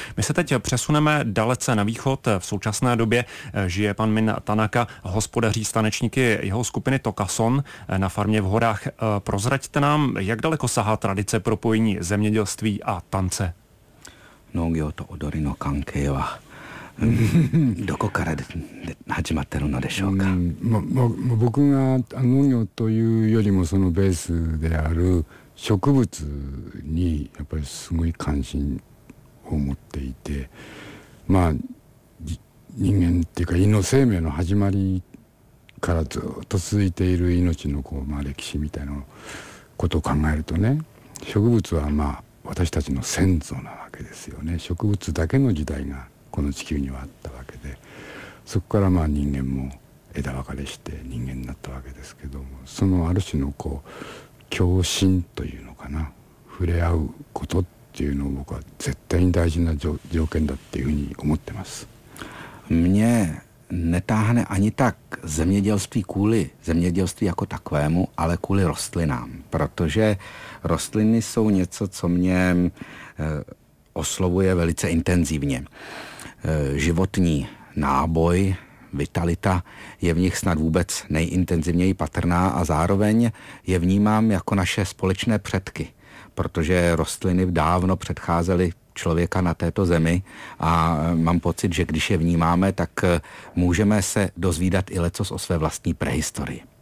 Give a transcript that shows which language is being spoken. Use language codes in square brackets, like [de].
[cs] My se teď přesuneme dalece na východ. V současné době žije pan Min Tanaka, hospodaří stanečníky jeho skupiny Tokason na farmě v horách. Prozraďte nám, jak daleko sahá tradice propojení zemědělství a tance. [ja] No, jo, to odori no kankei wa. どこから始まってるのでしょうか。僕が農業というよりもそのベースである植物にやっぱりすごい関心を持っていて、まあ人間っていうか胃の生命の始まりからずっと続いている命のこう、まあ、歴史みたいなことを考えるとね、植物はまあ私たちの先祖なわけですよね。植物だけの時代がこの地球にはあったわけで、そこからまあ人間も枝分かれして人間になったわけですけども、そのある種のこう共振というのかな、触れ合うことっていうのを僕は絶対に大事な条件だっていうふうに思ってます。 [cs] Mě netáhne ani tak zemědělství kvůli zemědělství jako takovému, ale kvůli rostlinám, protože rostliny jsou něco, co mě oslovuje velice intenzivně. Životní náboj, vitalita je v nich snad vůbec nejintenzivněji patrná a zároveň je vnímám jako naše společné předky, protože rostliny dávno předcházely člověka na této zemi a mám pocit, že když je vnímáme, tak můžeme se dozvídat i leccos o své vlastní prehistorii.